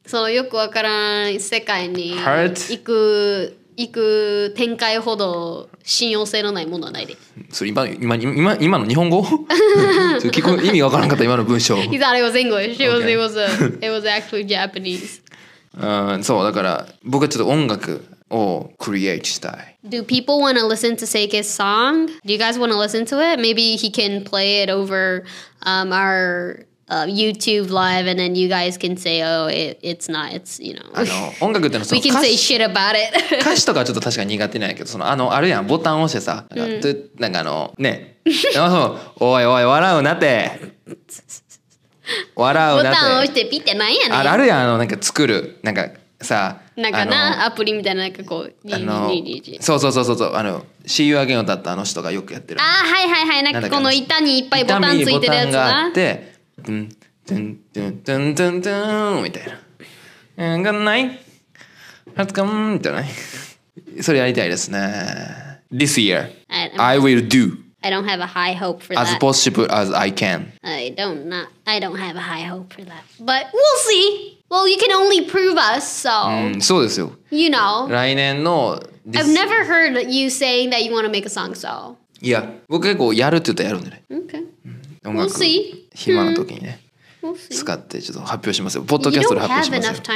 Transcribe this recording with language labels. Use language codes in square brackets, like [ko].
[ja] そのよくわからない世界に行く展開ほど信用性のないものはないで。それ今の日本語？それ聞く意味がわからなかった今の文章。 [en] He thought it was English. It was actually Japanese. [ja] そうだから僕はちょっと音楽をクリエイトしたい。 [en] Do people want to listen to Seike's song? Do you guys want to listen to it? Maybe he can play it over our YouTube live, and then you guys can say, "Oh, it's not. It's you know." [ja] あの音楽ってのはその歌詞。 [en] We can say shit about it. [ja] 歌詞とかはちょっと確か苦手なんやけど、そのあのあるやんボタン押してさ、なんかあのね、おいおい笑うなって。笑うなって。ボタン押してピってないやね。あるやんあのなんか作るなんかさ。なんかなアプリみたいななんかこうあのそうあの See You Again だったあの人がよくやってる。あはいはいはい、なんかこの板にいっぱいボタンついてるやつな。板にボタンがあって。トゥントゥントゥントゥントゥンみたいな。うん、がない。はつかんじゃない。それやりたいですね。 [en] This year, I will do. I don't have a high hope for that. As possible as I can. I don't have a high hope for that. But we'll see. Well, you can only prove us, so. [ja] うん、そうですよ。 [en] You know. [ja] 来年の。 [en] I've never heard you saying that you want to make a song, so. [ja] いや、僕結構やるって言ったらやるんだね。 [en] Okay. 音楽。We'll see. [ja] 暇な時にね、使ってちょっと発表しますよ。ポッドキャストで発表しますよ。